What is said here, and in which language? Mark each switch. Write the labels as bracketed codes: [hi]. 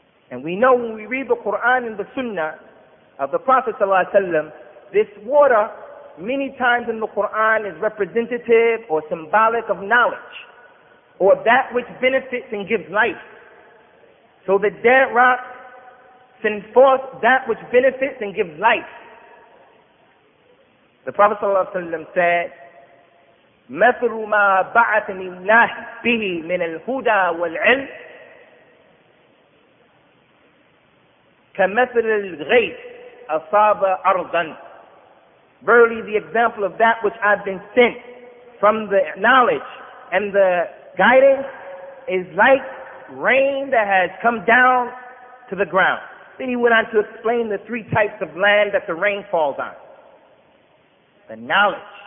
[en] And we know when we read the Quran and the Sunnah of the Prophet Sallallahu Alaihi Wasallam, this water many times in the Quran is representative or symbolic of knowledge, or that which benefits and gives life. So the dead rocks send forth that which benefits and gives life. The Prophet Sallallahu Alaihi Wasallam said, [ar] مَثْلُ مَا بَعَثَنِ اللَّهِ بِهِ مِنَ الْهُدَى وَالْعِلْمِ كَمَثْلِ الْغَيْثِ أَصَابَ أَرْضًا. [en] Verily the example of that which I've been sent from the knowledge and the guidance is like rain that has come down to the ground. Then he went on to explain the three types of land that the rain falls on. The knowledge.